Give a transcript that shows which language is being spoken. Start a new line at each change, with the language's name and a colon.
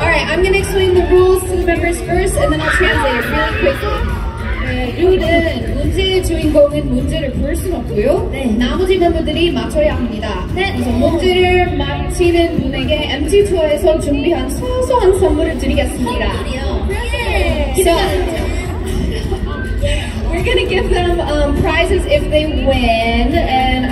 English: I'm gonna explain the rules to the members first, and then I'll translate it really quickly.
Korean: 룰은 문제의 주인공은 문제를 풀 수 없고요. 네. 나머지 멤버들이 맞춰야 합니다. 네. 그래서 문제를 맞히는 분에게 MT 투어에서 준비한 소소한 선물을 드리겠습니다. 선물이요. 네.
English: So we're gonna give them prizes if they win, and